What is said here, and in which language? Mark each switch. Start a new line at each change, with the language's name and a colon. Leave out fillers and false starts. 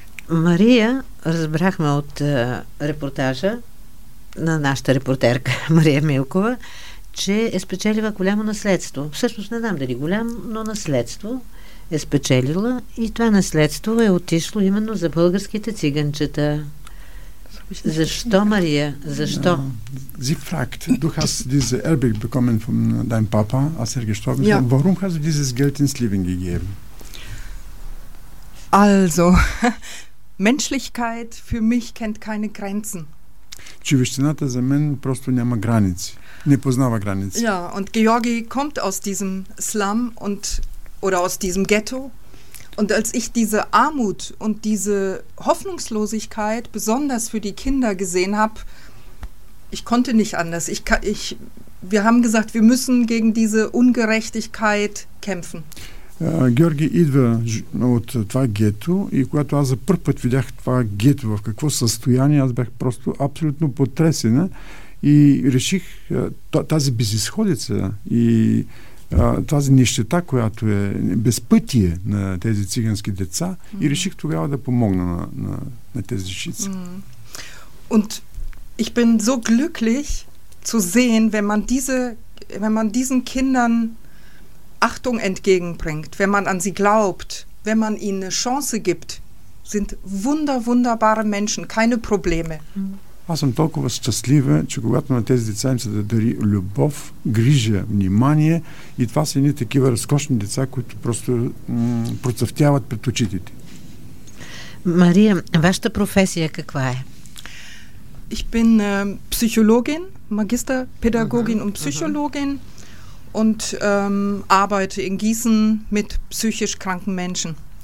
Bulgarian: Мария, разбрахме от репортажа на нашата репортерка Мария Милкова, че е спечелила голямо наследство. Всъщност не знам дали голямо, но наследство е спечелила и това наследство е отишло именно за българските циганчета. Защо, Мария? Защо?
German: Sie fragt, du hast diese Erbe bekommen von deinem Papa, als gestorben ist. Warum hast du dieses Geld ins Leben gegeben? Also, Menschlichkeit für mich kennt keine Grenzen.
Bulgarian: Човещината за мен просто няма граници. Не познава граници.
German: Ja, und Georgi kommt aus diesem Slum und oder aus diesem Ghetto. Und als ich diese Armut und diese Hoffnungslosigkeit besonders für die Kinder gesehen habe, ich konnte nicht anders. Wir haben gesagt, wir müssen gegen diese Ungerechtigkeit kämpfen.
Bulgarian: Георги идва от това гето и когато аз за първ път видях това гето в какво състояние, аз бях просто абсолютно потресена и реших тази безисходица и тази нищета, която е безпътие на тези цигански деца и реших тогава да помогна на тези жици.
German: Und ich bin so glücklich zu sehen, wenn man diese, wenn man diesen Kindern Achtung entgegenbringt, wenn man an sie glaubt, wenn man ihnen eine Chance gibt, sind wunderbare Menschen, keine Probleme.
Bulgarian: Аз съм толкова щастлива, че когато на тези деца им се дари любов, грижа, внимание, и това са едни такива разкошни деца, които просто процъфтяват пред очите ти. Мария, вашата професия каква е?
German: Ich bin Psychologin, Magisterpädagogin und Psychologin und arbeite in Gießen mit psychisch kranken Menschen.